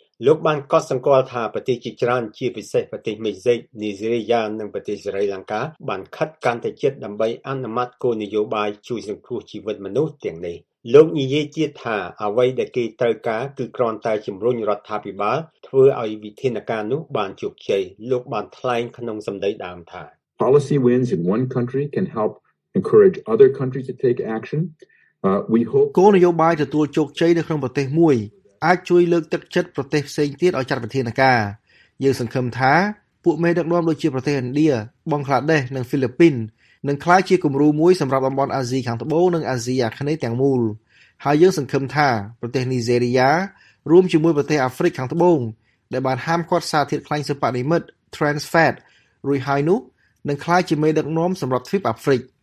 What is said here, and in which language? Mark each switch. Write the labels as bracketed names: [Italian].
[Khmer] លោកបានកត់សម្គាល់ថាប្រទេសជាច្រើនជាពិសេសប្រទេសមីសេកនីហ្សេរីយ៉ានិងប្រទេសស្រីលង្កាបានខិតកាន់តែជិតដើម្បីអនុម័តគោលនយោបាយជួយសង្គ្រោះជីវិតមនុស្សទាំងនេះលោកនិយាយទៀតថាអ្វីដែលគេត្រូវការគឺគ្រាន់តែជំរុញរដ្ឋាភិបាលធ្វើឲ្យវិធានការនោះបានជោគជ័យលោកបានថ្លែងក្នុងសម្ដីដើមថា [English] Policy wins in one country can help encourage other countries to take action. We hope [Khmer] គោលនយោបាយទទួលជោគជ័យនៅក្នុងប្រទេសមួយអាចជួយលើកទឹកចិត្តប្រទេសផ្សេងទៀតឲ្យចាត់វិធានការយើងសង្ឃឹមថាពួកមេដឹកនាំដូចជាប្រទេសឥណ្ឌាបង់ក្លាដេសនិងហ្វីលីពីននឹងក្លាយជាគំរូមួយសម្រាប់តំបន់អាស៊ីខាងត្បូងនិងអាស៊ីអាគ្នេយ៍ទាំងមូលហើយយើងសង្ឃឹមថាប្រទេសនីហ្សេរីយ៉ារួមជាមួយប្រទេសអាហ្វ្រិកខាងត្បូងដែលបានហាមឃាត់សារធាតុខ្លាញ់សពនិមិត្ត trans fat រួចហើយនោះនឹងក្លាយជាមេដឹកនាំសម្រាប់ទ្វីបអាហ្វ្រិក